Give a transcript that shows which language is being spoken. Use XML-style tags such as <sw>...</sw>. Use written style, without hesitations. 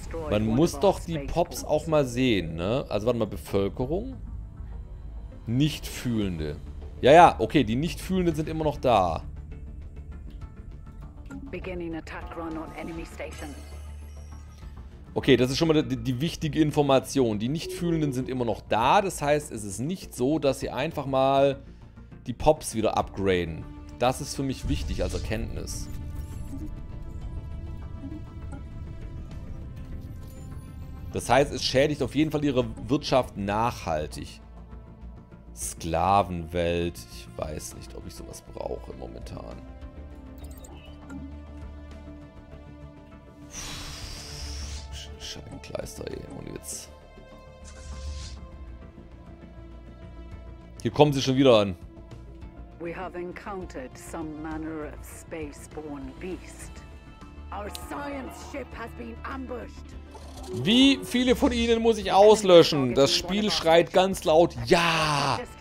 <de>Man muss doch die Pops auch mal sehen, ne? Also warte mal, Bevölkerung? Nichtfühlende. Ja, ja, okay, die Nichtfühlenden sind immer noch da.</de> <en>Beginning attack run on enemy station.</en> <de>Okay, das ist schon mal die wichtige Information. Die Nichtfühlenden sind immer noch da. Das heißt, es ist nicht so, dass sie einfach mal die Pops wieder upgraden. Das ist für mich wichtig als Erkenntnis. Das heißt, es schädigt auf jeden Fall ihre Wirtschaft nachhaltig. Sklavenwelt. Ich weiß nicht, ob ich sowas brauche momentan. Scheinkleister, ey. Und jetzt. Hier kommen sie schon wieder an.</de> <en>We have encountered some manner of space-born beast. Our science ship has been ambushed.</en> <de>Wie viele von ihnen muss ich auslöschen? Das Spiel schreit ganz laut, ja!</de>